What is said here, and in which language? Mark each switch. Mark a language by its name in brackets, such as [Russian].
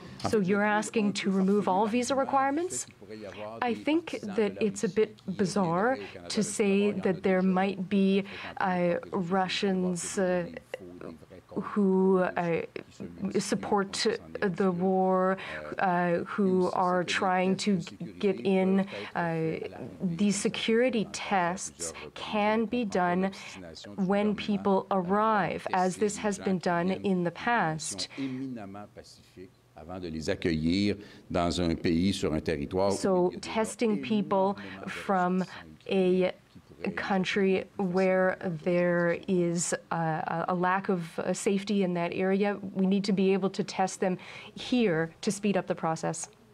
[English] So you're asking to remove all visa requirements? I think that it's a bit bizarre to say that there might be Russians who support the war, who are trying to get in. These security tests can be done when people arrive, as this has been done in the past. [French] Avant de les accueillir dans un pays sur un territoire. [English] So testing people from a country where there is a lack of safety in that area, we need to be able to test them here to speed up the process.